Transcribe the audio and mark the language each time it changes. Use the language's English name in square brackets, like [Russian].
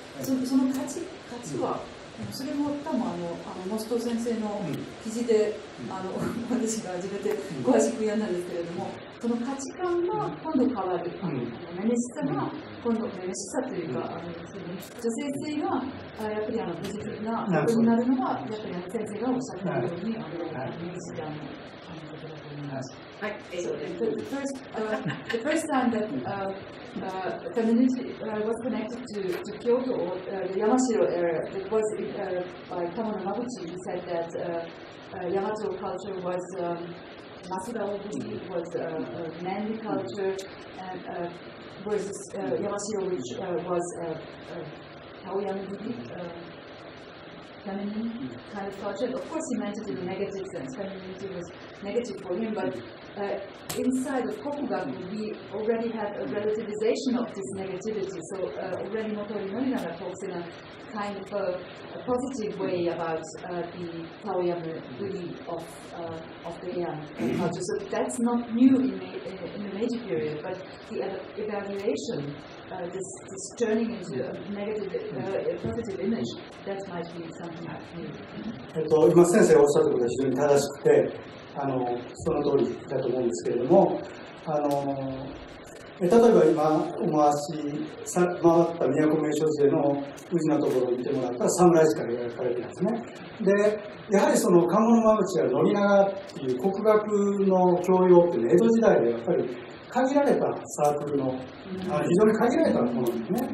[Japanese] その価値は、それも多分あの、モスト先生の記事で、あの私が初めて詳しく読んだんですけれども、その価値観が今度変わる、メネシサが今度メネシサというか、あの女性性がやっぱり美術なことになるのは、やっぱり先生がおっしゃったように、あのメネシサの。 [English] The first time that femininity was connected to Kyoto or the Yamashiro era, it was by Kamono Mabuchi. He said that Yamato culture was masuda obuchi, was manly culture, and versus Yamashiro, which was taoyamibuchi. Feminine kind of culture. Of course, he meant it in a negative sense. Femininity was negative for him, but inside of kokugaku, we already had a relativization of this negativity. So, already Motori Norinaga talks in a kind of a positive way about the taoyamu buri of the Heian culture. So, that's not new in the Meiji period, but the evaluation. This turning into a negative, a positive image, that might be something that's new. [Japanese] 今先生おっしゃることが非常に正しくて、あのその通りだと思うんですけれども、あの例えば今お回し回った都名所勢の宇治のところを見てもらったら、サムライしか描かれてますね。でやはりその賀茂真淵や宣長っていう国学の教養っていうのは江戸時代でやっぱり限られたサークルの、非常に限られたものですね。